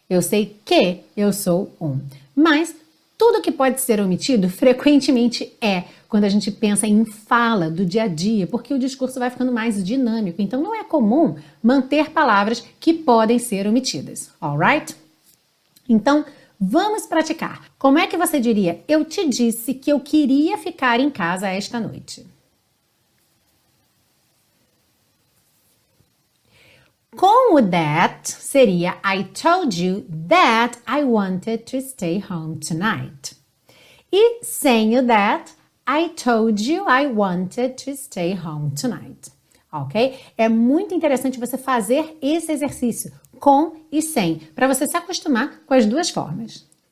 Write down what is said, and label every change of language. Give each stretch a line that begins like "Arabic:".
Portuguese: Eu sei que eu sou um. Mas, tudo que pode ser omitido, frequentemente é, quando a gente pensa em fala do dia a dia, porque o discurso vai ficando mais dinâmico. Então, não é comum manter palavras que podem ser omitidas. Alright? Então, vamos praticar. Como é que você diria, eu te disse que eu queria ficar em casa esta noite? Com o that, seria,
English: I told you that I wanted to stay home tonight.
Portuguese: E sem o that,
English: I told you I wanted to stay home tonight.
Portuguese: Ok? É muito interessante você fazer esse exercício com e sem, para você se acostumar com as duas formas.